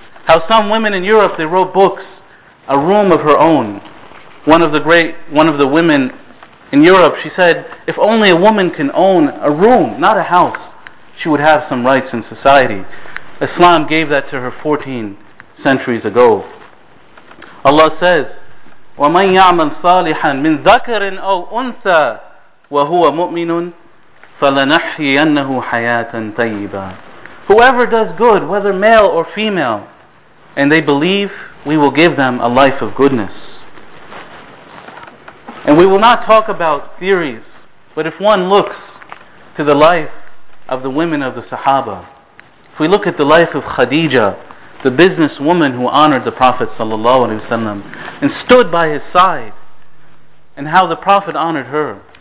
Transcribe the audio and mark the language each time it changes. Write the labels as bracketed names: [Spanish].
[English] How some women in Europe, they wrote books, a room of her own. One of the women in Europe, she said, if only a woman can own a room, not a house, she would have some rights in society. Islam gave that to her 14 centuries ago. Allah says, [Arabic] وَمَنْ يَعْمَلْ صَالِحًا مِنْ ذَكَرٍ أَوْ أُنْثَى وَهُوَ مُؤْمِنٌ فَلَنَحْيَنَّهُ حَيَاةً طَيِّبًا. [English] Whoever does good, whether male or female, and they believe, we will give them a life of goodness. And we will not talk about theories, but if one looks to the life of the women of the Sahaba, if we look at the life of Khadija, the businesswoman who honored the Prophet ﷺ and stood by his side, and how the Prophet honored her.